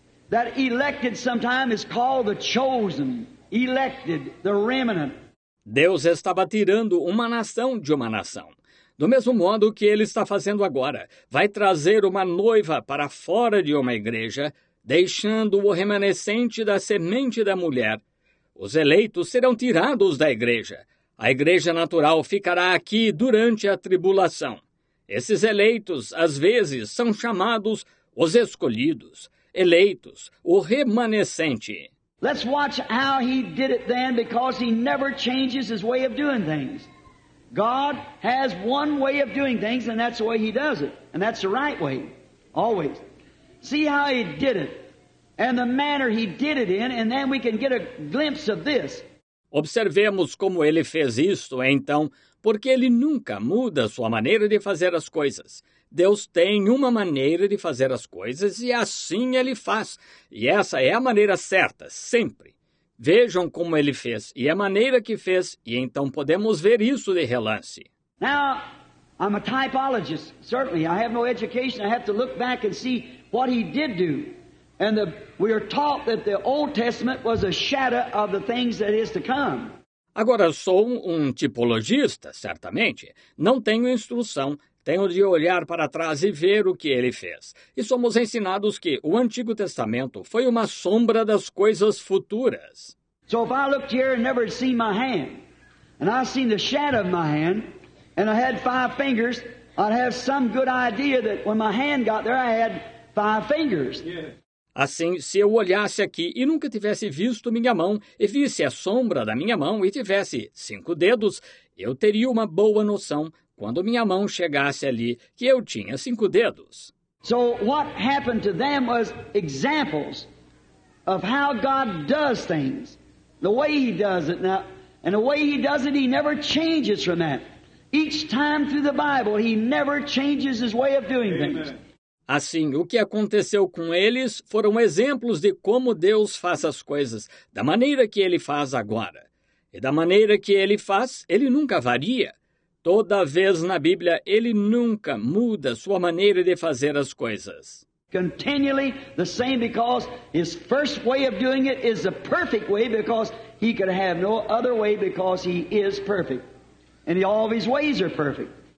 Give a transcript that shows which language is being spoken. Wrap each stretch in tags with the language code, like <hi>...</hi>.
<en>That elected sometime is called the chosen, elected, the remnant.</en> <pt>Deus estava tirando uma nação de uma nação. Do mesmo modo que ele está fazendo agora, vai trazer uma noiva para fora de uma igreja, deixando o remanescente da semente da mulher. Os eleitos serão tirados da igreja. A igreja natural ficará aqui durante a tribulação. Esses eleitos, às vezes, são chamados os escolhidos. Eleitos, o remanescente.</pt> <en>Let's watch how he did it then, because he never changes his way of doing things. God has one way of doing things, and that's the way he does it. And that's the right way, always. See how he did it, and the manner he did it in, and then we can get a glimpse of this.</en> <pt>Observemos como ele fez isto, então, porque ele nunca muda sua maneira de fazer as coisas. Deus tem uma maneira de fazer as coisas e assim ele faz. E essa é a maneira certa, sempre. Vejam como ele fez e a maneira que fez, e então podemos ver isso de relance.</pt> <en>Now, I'm a typologist, certainly. I have no education. I have to look back and see what he did do. And we are taught that the Old Testament was a shadow of the things that is to come.</en> <pt>Agora, sou tipologista, certamente. Não tenho instrução. Tenho de olhar para trás e ver o que ele fez. E somos ensinados que o Antigo Testamento foi uma sombra das coisas futuras.</pt> <en>So if I looked here and never had seen my hand, and I seen the shadow of my hand, and I had five fingers, I'd have some good idea that when my hand got there, I had five fingers. Yeah.</en> <pt>Assim, se eu olhasse aqui e nunca tivesse visto minha mão, e visse a sombra da minha mão e tivesse cinco dedos, eu teria uma boa noção, quando minha mão chegasse ali, que eu tinha cinco dedos.</pt> <en>So what happened to them was examples of how God does things, the way He does it now, and the way He does it, He never changes from that. Each time through the Bible, He never changes His way of doing things. Amen.</en> <pt>Assim, o que aconteceu com eles foram exemplos de como Deus faz as coisas, da maneira que Ele faz agora. E da maneira que Ele faz, Ele nunca varia. Toda vez na Bíblia, Ele nunca muda sua maneira de fazer as coisas.</pt> <en>Continually the same because His first way of doing it is the perfect way because He could have no other way because He is perfect. And all of His ways are perfect.</en>